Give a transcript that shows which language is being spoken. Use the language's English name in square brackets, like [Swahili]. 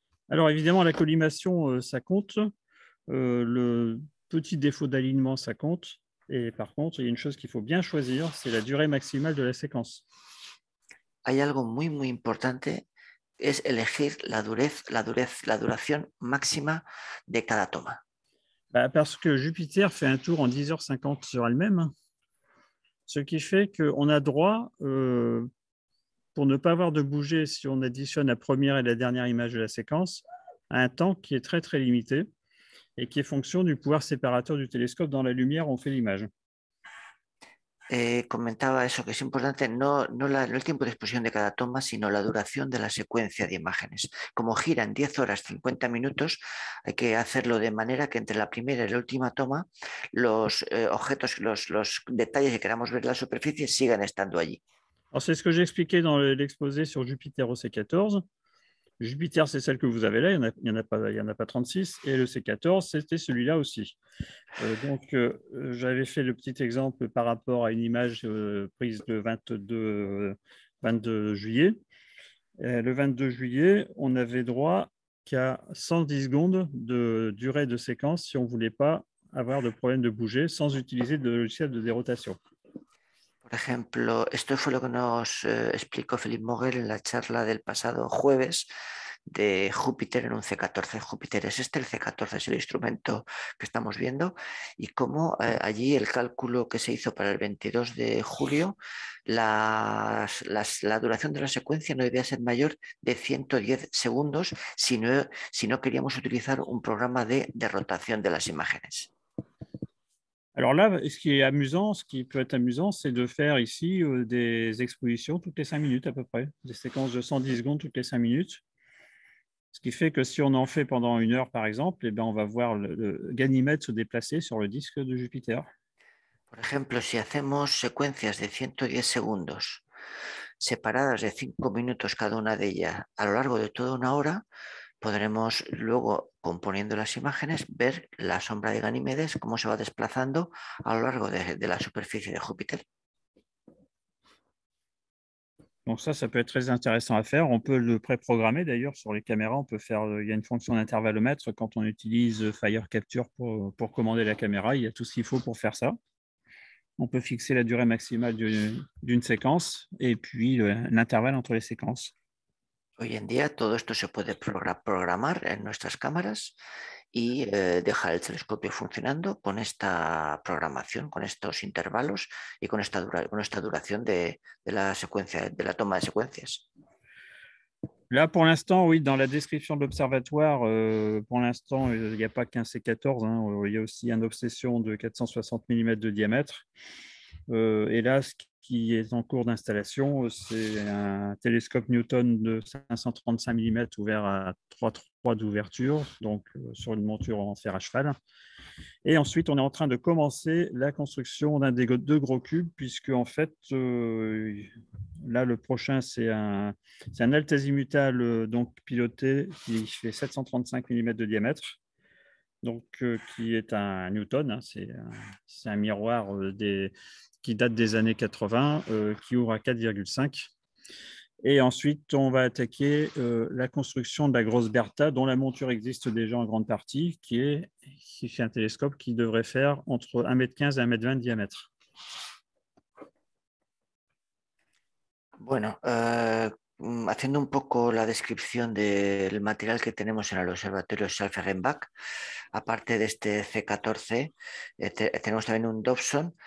[French] Alors évidemment, la collimation, ça compte. Le petit défaut d'alignement, ça compte. Et par contre, il y a une chose qu'il faut bien choisir, c'est la durée maximale de la séquence. [Spanish] Hay algo muy muy importante, es elegir la duración máxima de cada toma. [French] Bah, parce que Jupiter fait un tour en 10h50 sur elle-même, ce qui fait qu'on a droit, pour ne pas avoir de bouger si on additionne la première et la dernière image de la séquence, à un temps qui est très très limité et qui est fonction du pouvoir séparateur du télescope dans la lumière où on fait l'image. [Spanish] Comentaba eso, que es importante no el tiempo de exposición de cada toma, sino la duración de la secuencia de imágenes. Como giran 10 horas 50 minutos, hay que hacerlo de manera que entre la primera y la última toma, los objetos, los detalles que queramos ver en la superficie sigan estando allí. [French] Alors, c'est ce que j'ai expliqué dans l'exposé sur Jupiter au C14. Jupiter, c'est celle que vous avez là, il n'y en a pas 36. Et le C14, c'était celui-là aussi. J'avais fait le petit exemple par rapport à une image prise le 22 juillet. Le 22 juillet, on n'avait droit qu'à 110 secondes de durée de séquence si on ne voulait pas avoir de problème de bouger sans utiliser de logiciel de dérotation. [Spanish] Por ejemplo, esto fue lo que nos explicó Philippe Mauguel en la charla del pasado jueves de Júpiter en un C14. Júpiter es este, el C14 es el instrumento que estamos viendo, y cómo allí el cálculo que se hizo para el 22 de julio, la duración de la secuencia no debía ser mayor de 110 segundos si no queríamos utilizar un programa de rotación de las imágenes. [French] Alors là, ce qui est amusant, ce qui peut être amusant, c'est de faire ici des expositions toutes les 5 minutes à peu près, des séquences de 110 secondes toutes les 5 minutes. Ce qui fait que si on en fait pendant 1 heure, par exemple, eh bien, on va voir le Ganymède se déplacer sur le disque de Jupiter. [Spanish] Por ejemplo, si hacemos secuencias de 110 segundos separadas de 5 minutos cada una de ellas a lo largo de toda una hora, podremos luego, componiendo las imágenes, ver la sombra de Ganímedes, cómo se va desplazando a lo largo de la superficie de Júpiter. [French] Donc ça peut être très intéressant à faire. On peut le préprogrammer d'ailleurs sur les caméras. On peut faire, il y a une fonction d'intervalomètre quand on utilise Fire Capture pour commander la caméra. Il y a tout ce qu'il faut pour faire ça. On peut fixer la durée maximale d'une séquence et puis l'intervalle entre les séquences. [Spanish] Hoy en día todo esto se puede programar en nuestras cámaras y dejar el telescopio funcionando con esta programación, con estos intervalos y con esta duración de la secuencia, de la toma de secuencias. [French] Là, pour l'instant, oui, dans la description de l'observatoire, pour l'instant, il n'y a pas qu'un C14, hein, il y a aussi une obsession de 460 mm de diamètre. Et là, ce qui est en cours d'installation, c'est un télescope Newton de 535 mm ouvert à 3,3 d'ouverture, donc sur une monture en fer à cheval. Et ensuite, on est en train de commencer la construction d'un des deux gros cubes, puisque en fait, là, le prochain, c'est un altazimutal donc piloté qui fait 735 mm de diamètre. Donc, qui est un Newton, hein, c'est un miroir qui date des années 80, qui ouvre à 4,5. Et ensuite, on va attaquer la construction de la grosse Bertha, dont la monture existe déjà en grande partie, qui est un télescope qui devrait faire entre 1,15 m et 1,20 m de diamètre. [Spanish] Bueno, haciendo un poco la descripción del material que tenemos en el observatorio Schäfer-Rembach, aparte de este C14, tenemos también un Dobson.